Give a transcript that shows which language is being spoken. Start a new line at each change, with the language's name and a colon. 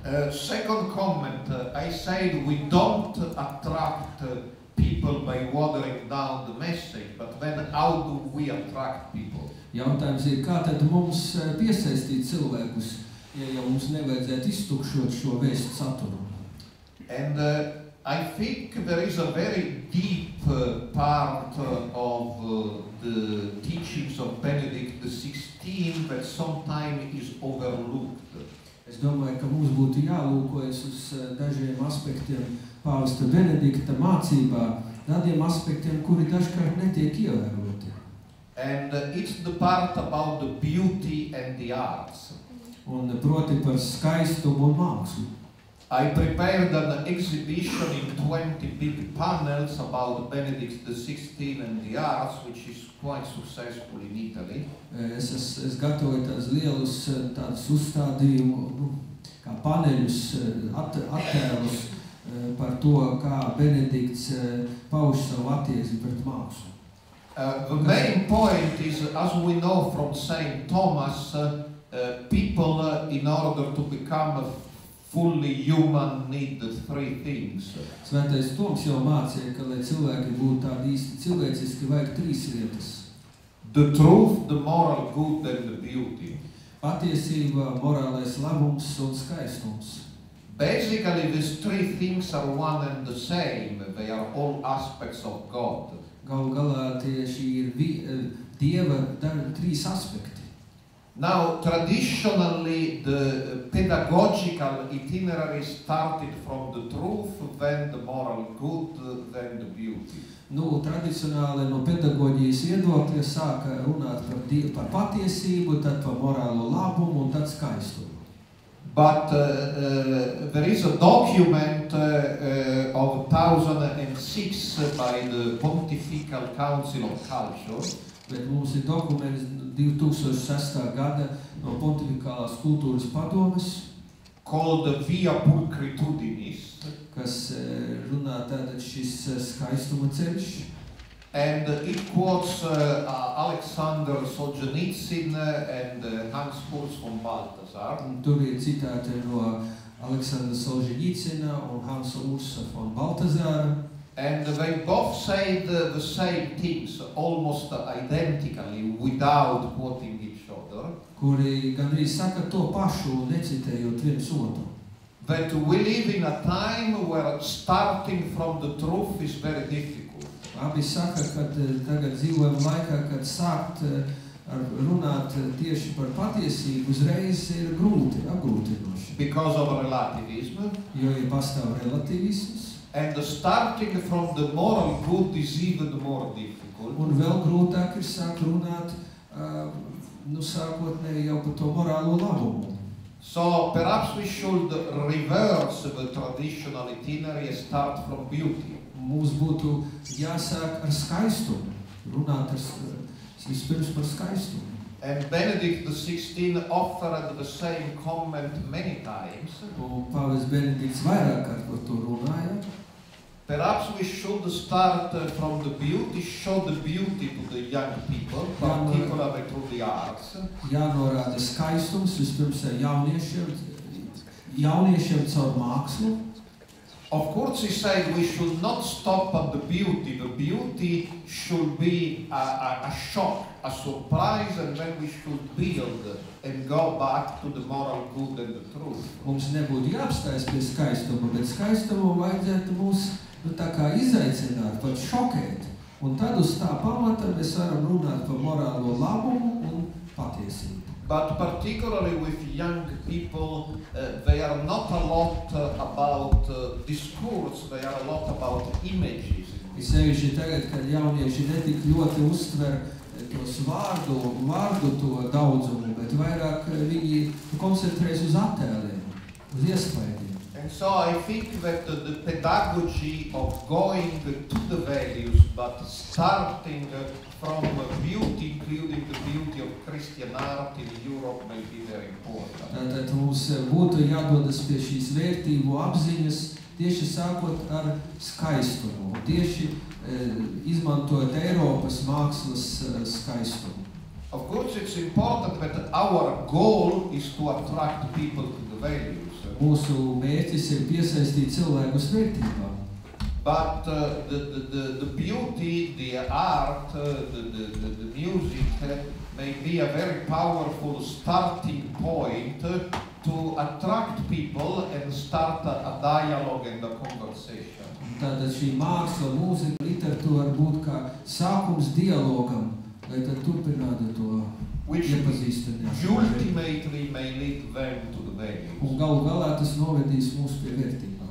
English: Second comment, I said we don't attract people by watering down the message, but then how do we attract people?
Latvian: Jautājums ir, kā tad mums piesaistīt cilvēkus, ja jau mums nevajadzētu iztukšot šo vēstu saturu?
English: And I think there is a very deep part of the teachings of Benedict the 16th that sometimes is overlooked.
Latvian: Es domāju, ka mums būtu jālūkojas uz dažiem aspektiem pāvesta Benedikta mācībā, tādiem aspektiem, kuri dažkārt netiek ievēroti.
English: And it's the part about the beauty and the arts.
Latvian: Un proti par skaistumu un mākslu.
English: I prepared an exhibition in 20 big panels about Benedict the 16th and the arts, which is quite successful in Italy.
Latvian: Es gatavoju tās lielus tādus uzstādījumu, kā paneļus, attēlus par to, kā Benedikts pauž savu attieksmi pret mākslu.
English: The main point is, as we know from St. Thomas, people in order to become fully human need the three things.
Latvian: Svētais Toms jau mācīja, ka lai cilvēki būtu tādi īsti cilvēciski, vajag trīs lietas.
English: The truth, the moral good and the beauty.
Latvian: Patiesība, morālais labums un skaistums.
English: Basically, these three things are one and the same. They are all aspects of God.
Latvian: Galu galā tieši ir Dieva trīs aspekti.
English: Now, traditionally, the pedagogical itinerary started from the truth, then the moral good, then the beauty.
Latvian: Nu, tradicionāli no pedagoģijas iedokļa sāka runāt par Dievu par patiesību, tad par morālo labumu un tad skaistumu.
English: But there is a document of 1006 by the Pontifical Council of Culture.
Latvian: Bet mums ir dokuments 2006. Gada no Pontifikālās kultūras padomes.
English: Called the Via Pulchritudinis.
Latvian: Kas runā tātad šis skaistuma ceļš.
English: And it quotes Alexander Solženicin and Hans Kurz von Balthasar.
Latvian: Tur ir citāte no Aleksandra Solženicina un Hans Kurz von Balthasar.
English: And they both said the same things, almost identically, without quoting each other.
Latvian: Kuri gandrīz saka to pašu, necitējot viens otru.
English: That we live in a time where starting from the truth is very difficult.
Latvian: Abi saka, ka tagad dzīvojam laikā, kad sākt runāt tieši par patiesību, uzreiz ir grūti, apgrūtinoši.
English: Because of relativism.
Latvian: Jo ir pastāv relativisms.
English: And the starting from the moral good is even more difficult.
Latvian: Un vēl grūtāk ir sākt runāt nu sākotnēji jau par to morālo labumu.
English: So perhaps we should reverse the traditional itinerary and start from beauty.
Latvian: Mums būtu jāsāk ar skaistumu, runāt ar vispirms par skaistumu.
English: And Benedict XVI offered the same comment many times.
Latvian: Pāvests Benedikts vairāk kārt par to runāja.
English: Perhaps we should start from the beauty, show the beauty to the young people, particularly through the arts.
Latvian: Jānorāda skaistums vispirms ar jauniešiem caur mākslu.
English: Of course, he said we should not stop at the beauty. The beauty should be a shock, a surprise, and then we should build and go back to the moral good and the truth.
Latvian: Mums nebūtu jāapstājas pie skaistuma, bet skaistumu vajadzētu mūs nu, tā kā izaicināt, pat šokēt. Un tad uz tā pamata mēs varam runāt par morālo labumu un patiesību.
English: But particularly with young people, they are not a lot about discourse, they are a lot about images.
Latvian: Es sevišķi tagad, kad jaunieši netik ļoti uztver tos vārdu to daudzumu, bet vairāk viņi koncentrējas uz attēliem, uz iespējiem.
English: And so I think that the pedagogy of going to the values, but starting from beauty, including the beauty of Christian art in Europe, may be very important.
Latvian: Tātad mums būtu jādodas pie šīs vērtību apziņas, tieši sākot ar skaistumu, tieši izmantojot Eiropas mākslas skaistumu.
English: Of course, it's important that our goal is to attract people to the values.
Latvian: Mūsu mērķis ir piesaistīt cilvēku vērtībā.
English: But the beauty, the art, the music may be a very powerful starting point to attract people and start a dialogue and a conversation.
Latvian: Tātad šī māksla, mūzika, literatūra var būt kā sākums dialogam, lai tad turpinātu to.
English: Which ultimately may lead them to the values.
Latvian: Un galu galā tas novedīs mūs pie vērtības.